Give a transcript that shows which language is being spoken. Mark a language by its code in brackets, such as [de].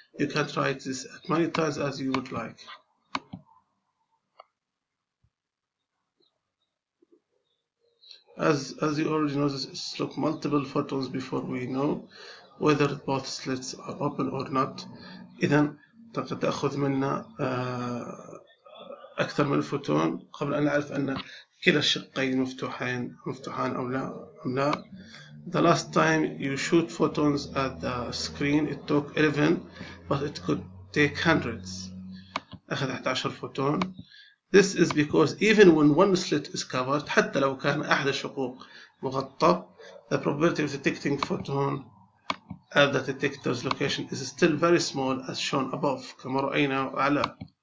[en] You can try this as many times as you would like. As you already know, this look multiple photons before we know whether both slits are open or not. [ar] إذن تأخذ منا أكثر من الفوتون قبل أن نعرف أن كلا الشقين مفتوحان أم لا. [en] The last time you shoot photons at the screen, it took 11, but it could take hundreds. [ar] أخذ 11 فوتون. [en] This is because even when one slit is covered, [ar] حتى لو كان أحد الشقوق مغطى, [en] the probability of detecting photon at the detector's location is still very small as shown above, [ar] كما رأينا أعلى.